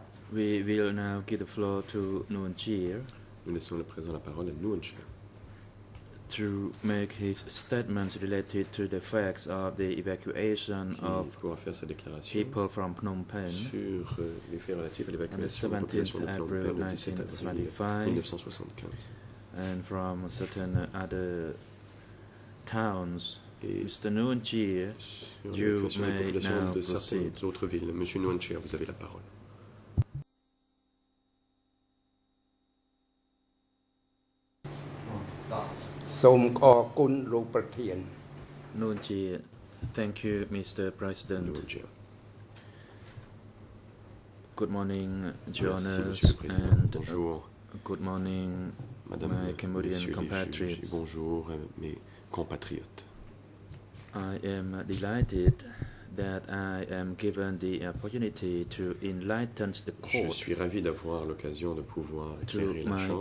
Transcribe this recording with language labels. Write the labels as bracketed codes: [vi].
[en] We will now give the floor to Nguyen Chir. [fr] Nous laissons le président la parole à Nguyen Chir. [en] To make his statements related to the facts of the evacuation of people from Phnom Penh [fr] sur les faits relatifs à l'évacuation de la population de Phnom Penh le 17 avril 1975 [en] and from certain other towns. Mr. Nguyen Chir, you may now proceed. [fr] Monsieur Nguyen Chir, vous avez la parole. [en] Nguyen Chir, thank you, Mr. President. Good morning, journalists, and good morning, Madame, my Cambodian compatriots. [fr] Bonjour, mes compatriotes. [en] I am delighted that I am given the opportunity to enlighten the court. [fr] Je suis ravi d'avoir l'occasion de pouvoir éclairer la chambre.